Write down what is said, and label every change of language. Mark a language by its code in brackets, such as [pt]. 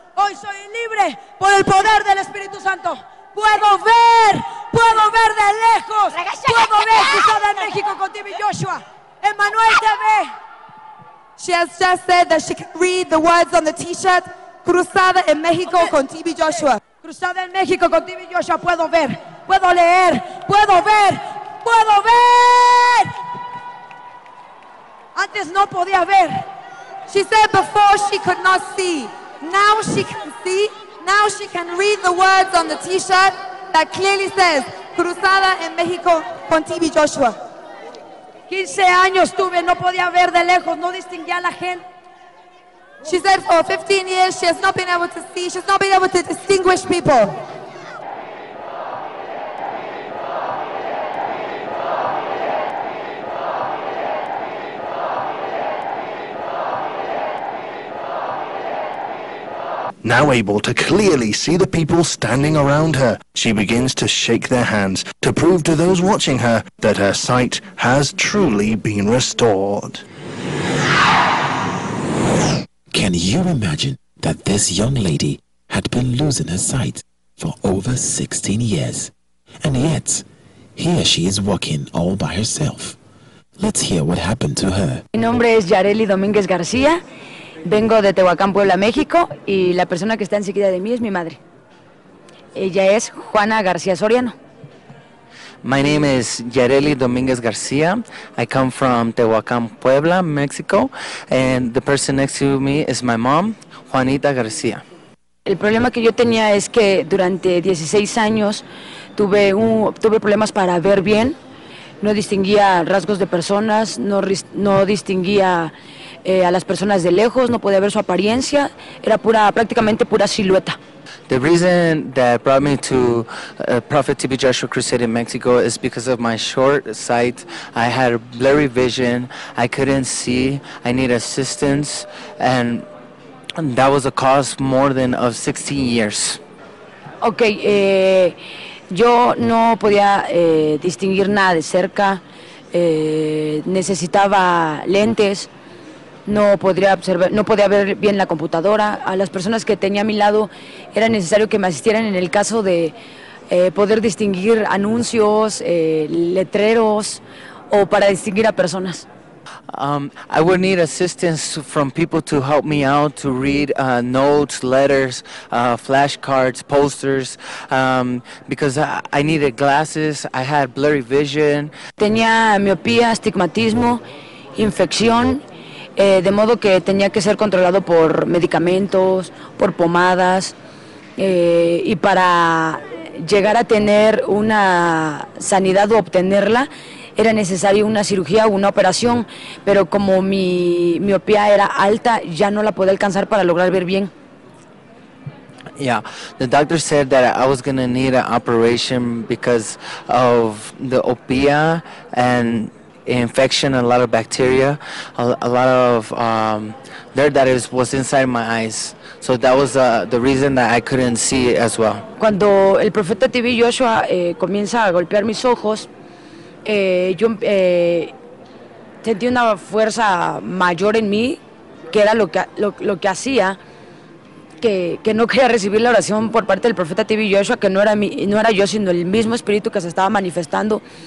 [es] Hoy soy libre por el poder del Espíritu Santo. Puedo ver de lejos. Puedo ver que está en México con Timmy Joshua. [en] Emmanuel TV. She has just said that she can read the words on the T-shirt. [es] Cruzada en México con Timmy Joshua. Cruzada en México con Timmy Joshua. Puedo ver. Puedo leer. Puedo ver. Puedo ver. Antes no podía ver. [en] She said before she could not see. Now she can see. Now she can read the words on the T-shirt that clearly says, [es] Cruzada en México con TV Joshua. 15 años tuve, no podía ver de lejos, no distinguía a la gente. [en] She said for 15 years she has not been able to see, she's not been able to distinguish people. Now able to clearly see the people standing around her, she begins to shake their hands to prove to those watching her that her sight has truly been restored. Can you imagine that this young lady had been losing her sight for over 16 years? And yet, here she is walking all by herself. Let's hear what happened to her. [es] Mi nombre es Yareli Dominguez García. Vengo de Tehuacán, Puebla, México, y la persona que está enseguida de mí es mi madre. Ella es Juana García Soriano. [en] My name is Yareli Dominguez García. I come from Tehuacán, Puebla, Mexico, and the person next to me is my mom, Juanita García. [es] El problema que yo tenía es que durante 16 años tuve problemas para ver bien. No distinguía rasgos de personas, no distinguía a las personas de lejos, no podía ver su apariencia, era pura, prácticamente pura silueta. [en] The reason that brought me to Prophet TB Joshua Crusade in Mexico is because of my short sight. I had a blurry vision, I couldn't see, I need assistance, and that was a cause more than of 16 years. [es] Okay, yo no podía distinguir nada de cerca, necesitaba lentes, no podía ver bien la computadora. A las personas que tenía a mi lado era necesario que me asistieran en el caso de poder distinguir anuncios, letreros o para distinguir a personas. [en] I would need assistance from people to help me out to read notes, letters, flashcards, posters, because I needed glasses. I had blurry vision. [es] Tenía miopía, astigmatismo, infección, de modo que tenía que ser controlado por medicamentos, por pomadas, y para llegar a tener una sanidad o obtenerla. Era necesario una cirugía o una operación, pero como mi miopía era alta, ya no la podía alcanzar para lograr ver bien. [en] Yeah, the doctor said that I was going to need an operation because of the opia and infection, a lot of bacteria, a lot of dirt that was inside my eyes. So that was the reason that I couldn't see it as well. [es] Cuando el profeta TV Joshua comienza a golpear mis ojos, sentí una fuerza mayor en mí, que era lo que hacía que no quería recibir la oración por parte del profeta TV Joshua, que no era yo, sino el mismo espíritu que se estaba manifestando.